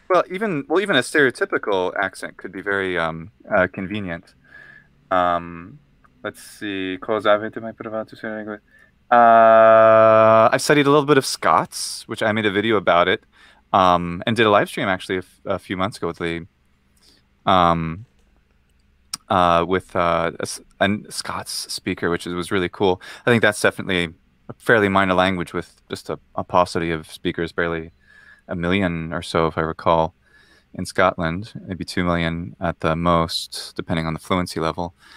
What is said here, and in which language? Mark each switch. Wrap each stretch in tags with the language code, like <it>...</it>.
<en>Even a stereotypical accent could be very convenient. Let's see,</en> <it>cosa avete mai provato su lingua?</it> <en>I studied a little bit of Scots, which I made a video about it. And did a live stream actually a few months ago with the with a Scots speaker, which was really cool. I think that's definitely a fairly minor language with just a paucity of speakers, barely a million or so, if I recall, in Scotland, maybe 2 million at the most, depending on the fluency level.</en>